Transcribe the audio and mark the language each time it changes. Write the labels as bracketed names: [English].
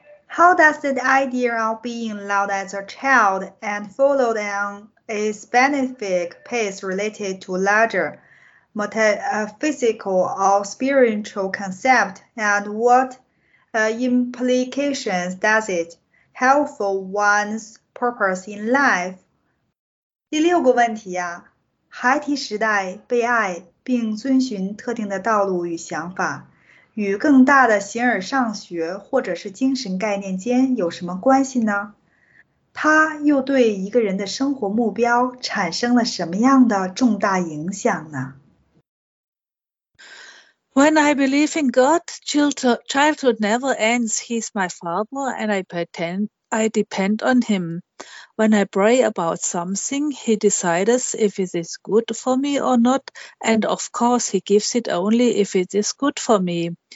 [English] How does the idea of being loved as a child and followed on a specific pace related to larger metaphysical or spiritual concept, and what implications does it have for one's purpose in life? [Chinese] 第六个问题啊，孩提时代被爱并遵循特定的道路与想法，与更大的形而上学或者是精神概念间有什么关系呢？它又对一个人的生活目标产生了什么样的重大影响呢？ [English] When I believe in God, childhood never ends. He's my father and I depend on him. When I pray about something, he decides if it is good for me or not, and of course he gives it only if it is good for me.